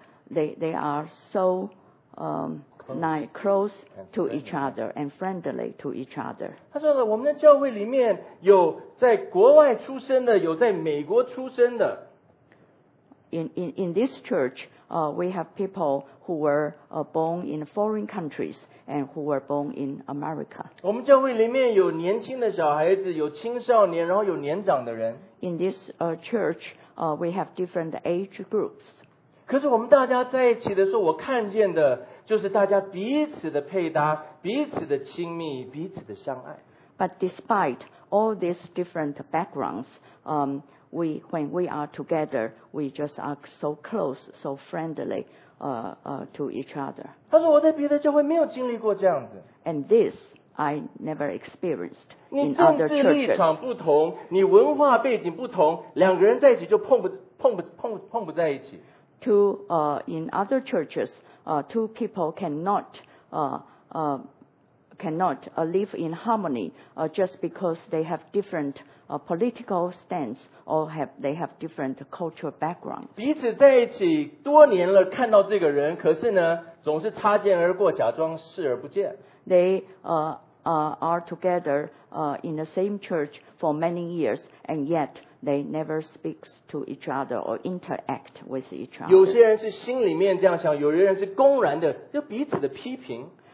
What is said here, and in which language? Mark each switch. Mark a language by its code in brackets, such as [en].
[en] They are so close to each other and friendly to each other. [zh] 他说的，我们的教会里面有在国外出生的，有在美国出生的。 [en] In this church, we have people who were born in foreign countries and who were born in America. [zh] 我们教会里面有年轻的小孩子，有青少年，然后有年长的人。 [en] In this church. We have different age groups. [zh] 可是我们大家在一起的时候，我看见的就是大家彼此的配搭，彼此的亲密，彼此的相爱。 [en] But despite all these different backgrounds, when we are together, we just are so close, so friendly, to each other. [zh] 他说我在别的教会没有经历过这样子。 [en] And this I never experienced in other [zh] churches. 你政治立场不同，你文化背景不同，两个人在一起就碰不在一起。 [en] To in other churches, two people cannot live in harmony just because they have different political stance or they have different cultural backgrounds. [zh] 彼此在一起多年了，看到这个人，可是呢，总是擦肩而过，假装视而不见。 [en] They are together in the same church for many years, and yet they never speak to each other or interact with each other. [zh] 有些人是心里面这样想，有些人是公然的，就彼此的批评。